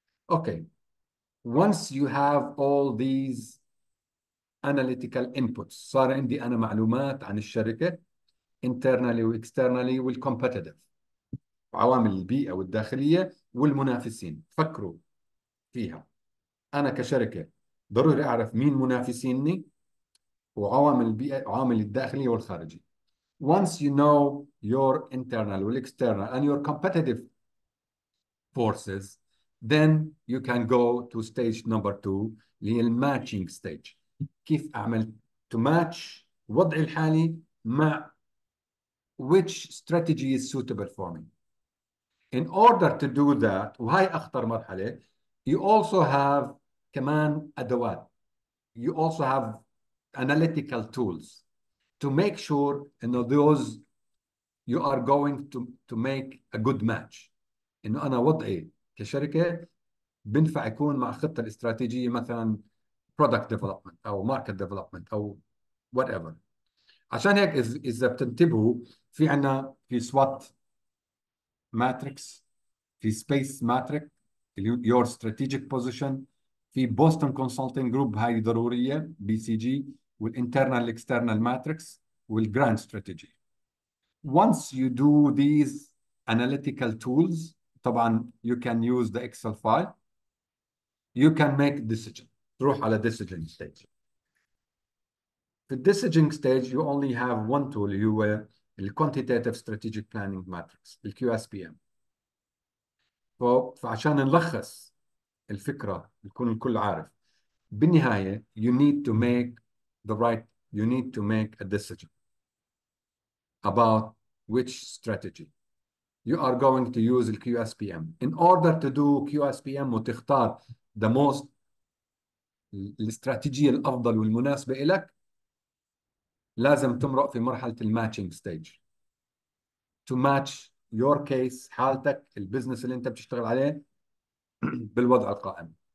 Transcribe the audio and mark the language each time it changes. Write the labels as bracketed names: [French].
[English] okay, once you have all these analytical inputs, [Arabic] صار عندي انا معلومات عن الشركة انترنالي واكسترنالي والكومبتيتيف، عوامل البيئة والداخلية والمنافسين. فكروا فيها، أنا كشركة ضروري أعرف مين منافسيني وعوامل البيئة، عوامل الداخلية والخارجية. [English] Once you know your internal and external and your competitive forces, then you can go to stage number two [Arabic] اللي هي الماتشنج ستيج. كيف اعمل [English] to match [Arabic] وضعي الحالي مع [English] which strategy is suitable for me. In order to do that, [Arabic] وهي اخطر مرحلة, [English] you also have [Arabic] كمان ادوات, [English] you also have analytical tools to make sure in those you are going to make a good match. [Arabic] انه انا وضعي كشركة بنفع يكون مع خطة الاستراتيجية مثلا [English] product development [Arabic] او [English] market development [Arabic] او [English] whatever. [Arabic] عشان هيك إذا بتنتبهوا في عنا في SWOT matrix, في space matrix [English] your strategic position, [Arabic] في Boston Consulting Group هاي ضرورية BCG, والinternal external matrix والgrand strategy. [English] Once you do these analytical tools, [Arabic] طبعا [English] you can use the Excel file, you can make decision. [Arabic] تروح على decision stage. [English] The decision stage, you only have one tool, you were the quantitative strategic planning matrix, the QSPM. [Arabic] فعشان نلخص الفكرة يكون الكل عارف, بالنهاية [English] you need to make the right, you need to make a decision about which strategy you are going to use the QSPM. In order to do QSPM [Arabic] وتختار [English] the most [Arabic] الاستراتيجية الأفضل والمناسبة إليك, لازم تمرق في مرحلة الماتشنج ستيج [English] to match your case, [Arabic] حالتك, البزنس اللي انت بتشتغل عليه بالوضع القائم.